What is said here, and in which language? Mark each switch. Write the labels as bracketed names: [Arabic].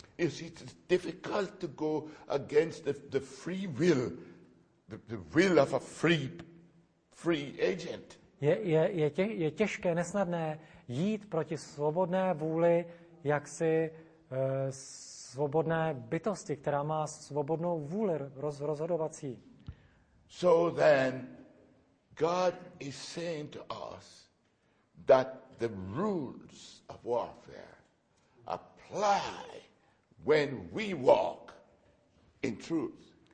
[English] Is it difficult to go against the free will, the will of a free agent? [Czech] Je těžké, nesnadné jít proti svobodné vůli jaksi svobodné bytosti, která má svobodnou vůli rozhodovací. [English] So then God is saying to us that the rules of warfare apply when we walk in truth.